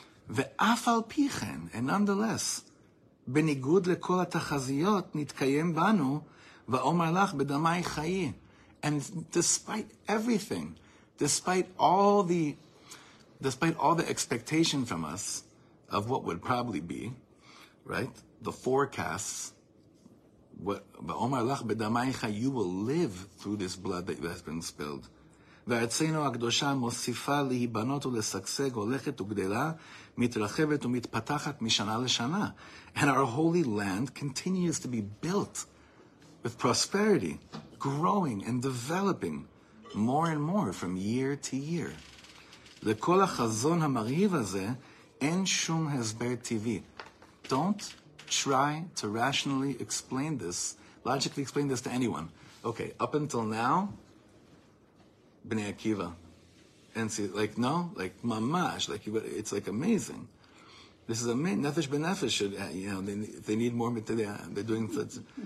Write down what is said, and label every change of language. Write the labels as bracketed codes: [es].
[he] ואף על פי כן, [en] and nonetheless, [he] בניגוד לכל התחזיות, נתקיים בנו, ואומר לך, בדמי חיי. [en] And despite everything, despite all the expectation from us of what would probably be, right, the forecasts, [he] ואומר לך, בדמי חיי, [en] you will live through this blood that has been spilled. [he] וארצנו הקדושה מוסיפה להיבנות ולשגשג, הולכת וגדלה, מתרחבת ומתפתחת משנה לשנה. [en] And our holy land continues to be built with prosperity, growing and developing more and more from year to year. [he] לכל החזון המרהיב הזה אין שום הסבר טבעי. [en] Don't try to rationally explain this, logically explain this to anyone. Okay, up until now, Bnei Akiva. And see, like, no? Like, mamash. Like, it's like amazing. This is amazing. Nefesh b'nefesh should, you know, they need more material. They're doing such.